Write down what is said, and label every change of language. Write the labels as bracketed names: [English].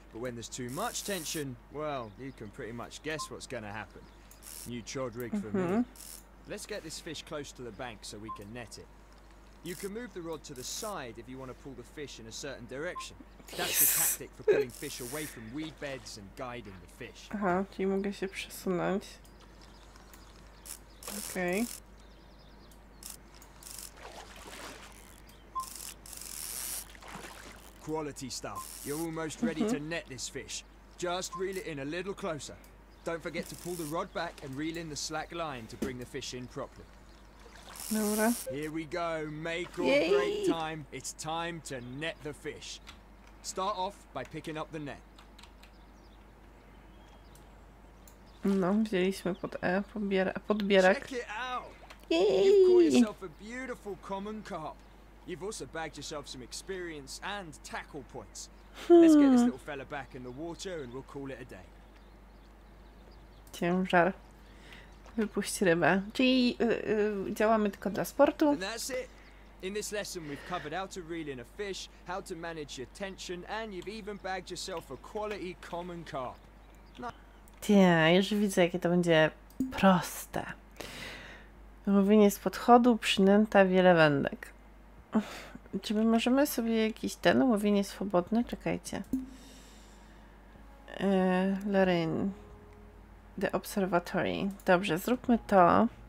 [English] But when there's too much tension, well, you can pretty much guess what's going to happen. New chod rig for me. Let's get this fish close to the bank so we can net it. You can move the rod to the side if you want to pull the fish in a certain direction. That's the tactic for pulling fish away from weed beds and guiding the fish. [Polish] Aha, czyli mogę się przesunąć. [English] Okay. Quality stuff. You're almost ready to net this fish. Just reel it in a little closer. Don't forget to pull the rod back and reel in the slack line to bring the fish in properly. [Polish] Dobra. [English] Here we go. Make or break time. It's time to net the fish. Start off by picking up the net. [Polish] No, wzięliśmy pod E, podbierak. [English] Check it out. Yay. You've caught yourself a beautiful common carp. You've also bagged yourself some experience and tackle points. Let's get this little fella back in the water and we'll call it a day. [Polish] Ciężar. Wypuść rybę. Czyli działamy tylko dla sportu. [English] And that's it. In this lesson we've covered how to reel in a fish, how to manage your tension, and you've even bagged yourself a quality common carp. [Polish] Tia, już widzę, jakie to będzie proste. Mówienie z podchodu, przynęta, wiele wędek. Czy my możemy sobie jakiś ten łowienie swobodne? Czekajcie. Lorraine. The Observatory. Dobrze, zróbmy to.